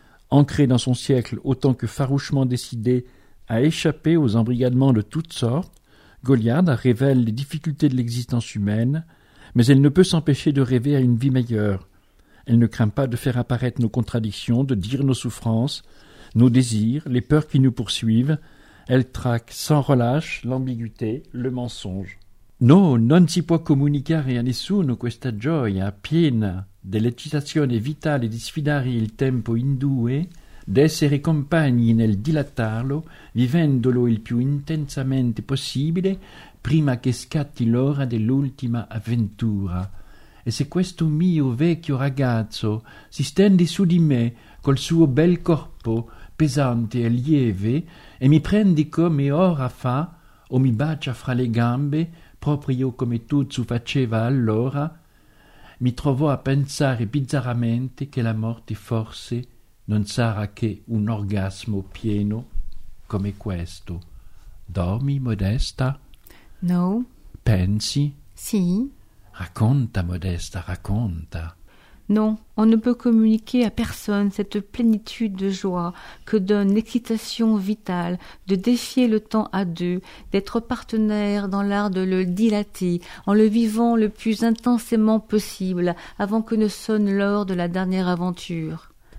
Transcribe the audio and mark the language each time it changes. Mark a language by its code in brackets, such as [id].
[fr] Ancré dans son siècle autant que farouchement décidé à échapper aux embrigadements de toutes sortes, Goliard révèle les difficultés de l'existence humaine. Mais elle ne peut s'empêcher de rêver à une vie meilleure. Elle ne craint pas de faire apparaître nos contradictions, de dire nos souffrances, nos désirs, les peurs qui nous poursuivent. Elle traque sans relâche l'ambiguïté, le mensonge. [it] No, non si può comunicare a nessuno questa gioia piena dell'eccitazione vitale di sfidare il tempo in due, d'essere compagni nel dilatarlo, vivendolo il più intensamente possibile, prima che scatti l'ora dell'ultima avventura. E se questo mio vecchio ragazzo si stende su di me col suo bel corpo pesante e lieve e mi prende come ora fa o mi bacia fra le gambe proprio come tu faceva allora, mi trovò a pensare bizzarramente che la morte forse non sarà che un orgasmo pieno come questo. Dormi, Modesta? No. Pensi? Sì. Racconta, Modesta, racconta. [fr] Non, on ne peut communiquer à personne cette plénitude de joie que donne l'excitation vitale de défier le temps à deux, d'être partenaire dans l'art de le dilater en le vivant le plus intensément possible avant que ne sonne l'heure de la dernière aventure.